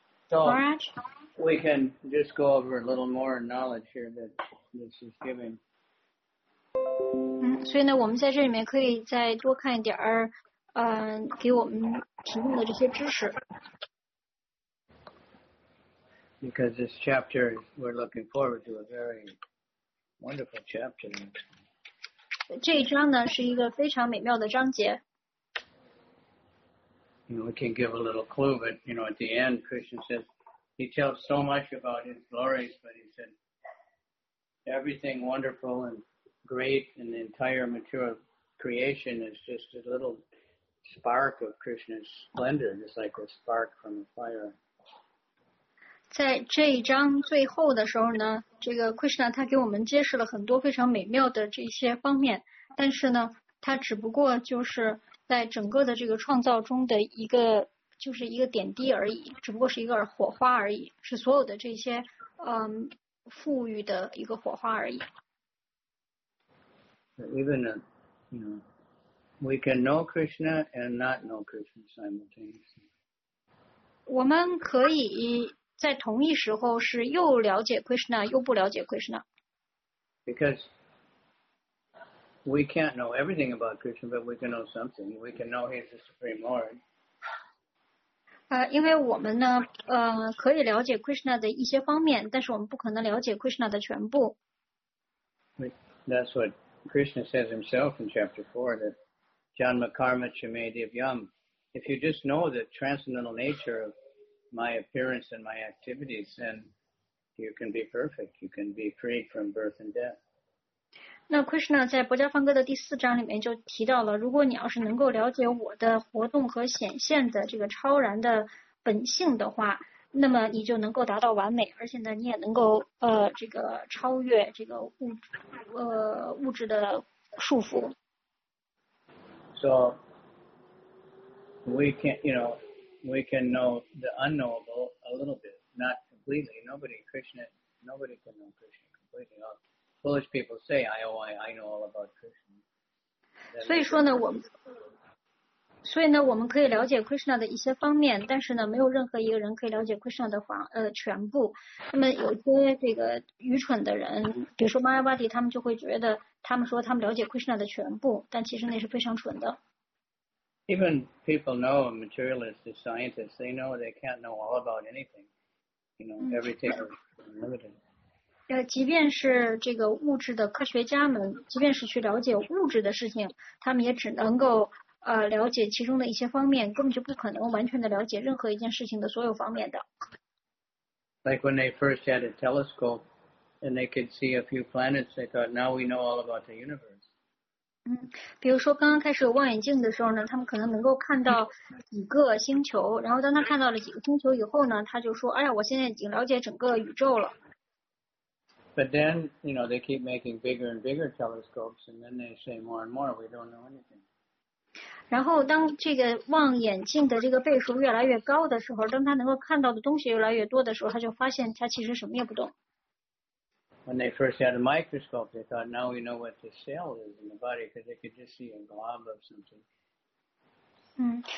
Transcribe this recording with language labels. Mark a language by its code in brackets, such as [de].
[en] So, we can just go over a little more knowledge here that this is giving. [zh] 所以呢，我们在这里面可以再多看一点儿，给我们提供的这些知识。 [en] Because this chapter, we're looking forward to a very wonderful chapter. [zh] 这一章呢是一个非常美妙的章节。 [en] You know, we can give a little clue, but you know, at the end, Krishna says he tells so much about his glories, but he said everything wonderful and great and the entire material creation is just a little spark of Krishna's splendor, just like a spark from a fire. [zh] 在这一章最后的时候呢，这个 Krishna 他给我们揭示了很多非常美妙的这些方面，但是呢，他只不过就是在整个的这个创造中的一个，就是一个点滴而已，只不过是一个火花而已，是所有的这些富裕的一个火花而已。 [en] Even a, you know, we can know Krishna and not know Krishna simultaneously. [zh] 我们可以在同一时候是又了解 Krishna 又不了解 Krishna. [en] Because we can't know everything about Krishna, but we can know something. We can know he's the Supreme Lord. [zh] 因为我们呢，可以了解 Krishna 的一些方面，但是我们不可能了解 Krishna 的全部。 [en] That's what Krishna says himself in chapter 4, that [sa] Janma Karma Chame Divyam. [en] If you just know the transcendental nature of my appearance and my activities, then you can be perfect. You can be freed from birth and death. [zh] 那 Krishna 在薄伽梵歌的第四章里面就提到了，如果你要是能够了解我的活动和显现的这个超然的本性的话，那么你就能够达到完美，而且呢，你也能够这个超越这个物质的束缚。 [en] So we can, you know. We can know the unknowable a little bit, not completely. Nobody can know Krishna completely. All foolish people say, I know all about Krishna. [zh] 所以说呢，我们可以了解 Krishna 的一些方面，但是呢，没有任何一个人可以了解 Krishna 的全部。那么有些这个愚蠢的人，比如说 Mayavadi， 他们就会觉得，他们说他们了解 Krishna 的全部，但其实那是非常蠢的。 [en] Even people know, materialists, the scientists, they know they can't know all about anything. You know, everything is limited. [zh] 即便是这个物质的科学家们，即便是去了解物质的事情，他们也只能够了解其中的一些方面，根本就不可能完全的了解任何一件事情的所有方面的。 [en] Like when they first had a telescope and they could see a few planets, they thought, now we know all about the universe. [zh] 比如说刚刚开始有望远镜的时候呢，他们可能能够看到几个星球，然后当他看到了几个星球以后呢，他就说，哎呀，我现在已经了解整个宇宙了。 [en] But then, you know, they keep making bigger and bigger telescopes, and then they say more and more, we don't know anything. [zh] 然后当这个望远镜的这个倍数越来越高的时候，当他能够看到的东西越来越多的时候，他就发现他其实什么也不懂。 [en] When they first had a microscope, they thought, now we know what the cell is in the body, because they could just see a glob of something.